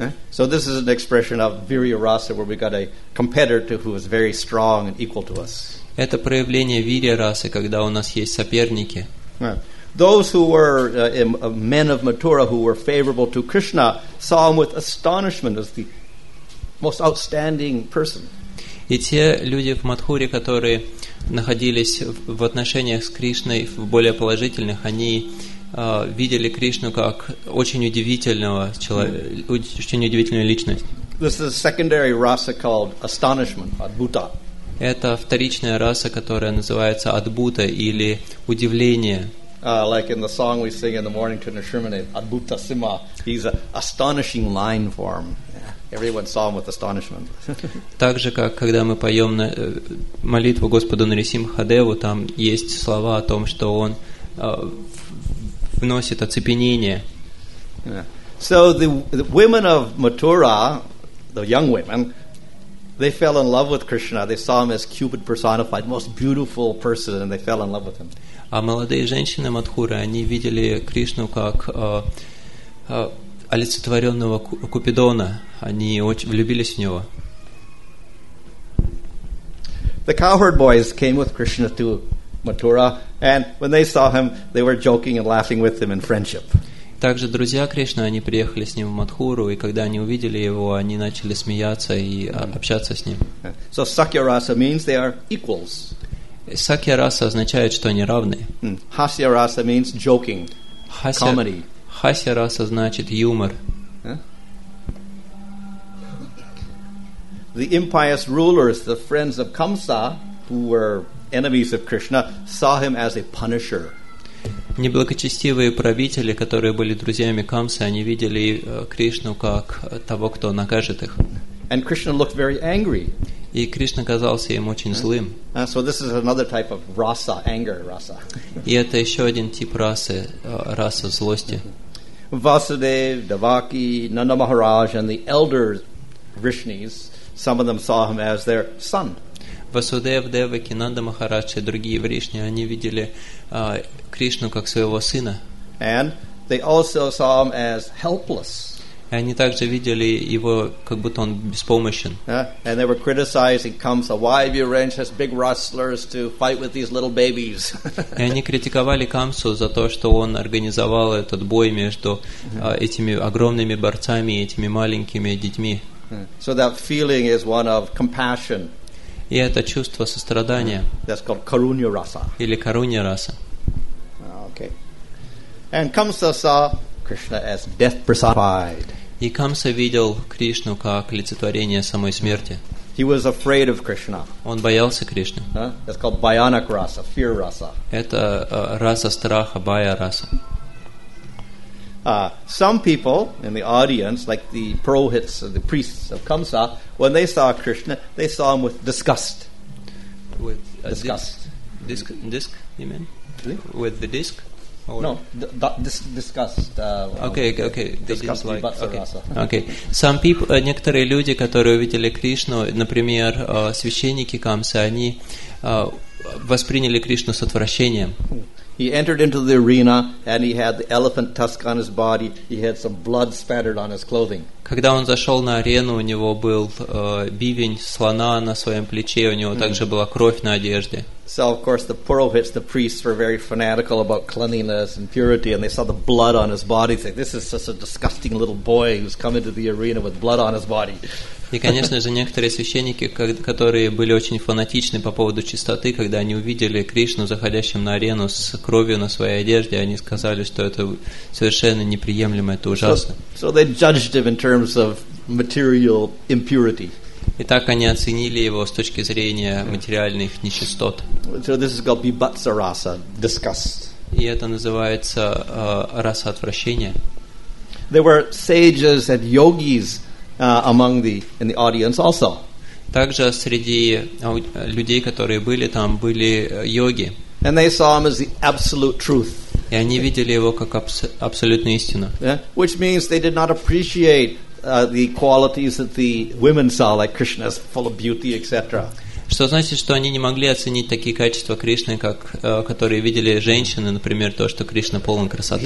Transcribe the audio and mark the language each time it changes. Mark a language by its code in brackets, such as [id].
[en] So this is an expression of Virya-rasa, where we got a competitor who is very strong and equal to us. [ru] Это проявление Вирья-расы, когда у нас есть соперники. [en] Those who were men of Mathura who were favorable to Krishna saw him with astonishment as the most outstanding person. [ru] И те люди в Матхуре, которые находились в отношениях с Кришной в более положительных, они видели Кришну как очень удивительного человека, очень удивительную личность. [en] This is a secondary rasa called astonishment, adbhuta. [ru] Это вторичная раса, которая называется адбута или удивление. [en] Like in the song we sing in the morning to Nishrimine, adbhuta sima. He's an astonishing line form. Everyone saw him with astonishment. [ru] Так же, как когда мы поем молитву Господу Нарисимхадеву, там есть слова о том, что он вносит оцепенение. [en] So the women of Mathura, the young women, they fell in love with Krishna. They saw him as Cupid personified, most beautiful person, and they fell in love with him. [ru] А молодые женщины Мадхуры, они видели Кришну как олицетворенного Купидона. Они очень влюбились в него. [en] The cowherd boys came with Krishna to Mathura, and when they saw him, they were joking and laughing with him in friendship. [ru] Также друзья Кришны, они приехали с ним в Мадхуру, и когда они увидели его, они начали смеяться и общаться с ним. [en] So Sakya-rasa means they are equals. [ru] Sakya-rasa означает, что они равны. [en] Hasya-rasa means joking, comedy. [ru] Hasya-rasa значит юмор. [en] The impious rulers, the friends of Kamsa, who were enemies of Krishna, saw him as a punisher. [ru] Неблагочестивые правители, которые были друзьями Камсы, они видели Кришну как того, кто накажет их. [en] And Krishna looked very angry. [ru] И Кришна казался им очень злым. [en] So this is another type of rasa, anger, rasa. [ru] И это еще один тип расы, раса злости. [en] Vasudev, Devaki, Nanda Maharaj, and the elder Rishnis, some of them saw him as their son. [ru] Васудев, Деваки, Нанда Махарадж и другие вришни, они видели Кришну как своего сына. [en] And they also saw him as helpless. [ru] И они также видели его, как будто он беспомощен. [en] And they were criticizing Kamsa, why have you arranged these big wrestlers to fight with these little babies? [ru] И они критиковали Камсу за то, что он организовал этот бой между этими огромными борцами и этими маленькими детьми. [en] So that feeling is one of compassion. [ru] И это чувство сострадания. [en] That's called karunya rasa. [ru] Или karunya rasa. [en] Okay. And Kamsa saw Krishna as death personified. [ru] И Камса видел Кришну как олицетворение самой смерти. [en] He was afraid of Krishna. [ru] Он боялся Кришны. [en] That's called bhayanak rasa, fear rasa. [ru] Это раса страха, bhaya rasa. [en] Some people in the audience, like the Purohits, the priests of Kamsa, when they saw Krishna, they saw him with disgust. With disgust. Disc, you mean? Really? With the disc? Or? No, disgust. Okay. Disgust like, vibhatsa okay. rasa. Okay. Some people, [ru] некоторые люди, которые увидели Кришну, например, священники Камсы, они восприняли Кришну с отвращением. [en] He entered into the arena and he had the elephant tusk on his body. He had some blood spattered on his clothing. [ru] Когда он зашел на арену, у него был бивень слона на своем плече, у него также была кровь на одежде. [en] So of course the Purohits, the priests, were very fanatical about cleanliness and purity, and they saw the blood on his body. They said, "This is such a disgusting little boy who's come into the arena with blood on his body." [ru] И, конечно же, некоторые священники, которые были очень фанатичны по поводу чистоты, когда они увидели Кришну, заходящим на арену с кровью на своей одежде, они сказали, что это совершенно неприемлемо, это ужасно. [en] So they judged him in terms of material impurity. [ru] И так они оценили его с точки зрения материальных нечистот. [en] So this is called vibhatsa rasa, disgust. [ru] И это называется раса отвращения. [en] There were sages and yogis among the in the audience also. [ru] Также среди людей, которые были там, были йоги. [en] And they saw him as the absolute truth. [ru] И они видели его как абсолютную истину. [en] Yeah? Which means they did not appreciate the qualities that the women saw, like Krishna's full of beauty, etc. [ru] Что значит, что они не могли оценить такие качества Кришны, как которые видели женщины, например, то, что Кришна полон красоты.